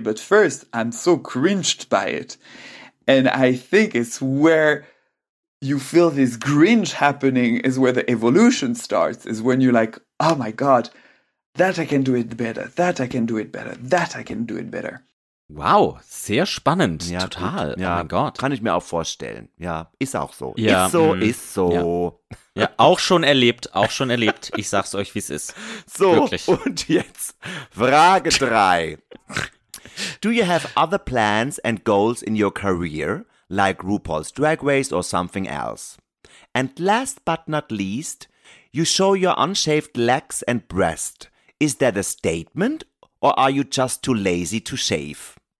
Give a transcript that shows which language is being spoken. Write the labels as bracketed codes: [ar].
[en] But first, I'm so cringed by it. And I think it's where you feel this cringe happening is where the evolution starts, is when you're like, oh my God, that I can do it better, that I can do it better, that I can do it better. [de] Wow, sehr spannend, ja, total, gut. Ja, oh mein Gott. Kann ich mir auch vorstellen, ja, ist auch so, ja, ist so, ist so. Ja. Ja, auch schon erlebt, ich sag's euch, wie es ist, so, wirklich. So, und jetzt Frage 3. [en] Do you have other plans and goals in your career, like RuPaul's Drag Race or something else? And last but not least, you show your unshaved legs and breast. Is that a statement? Or are you just too lazy to shave?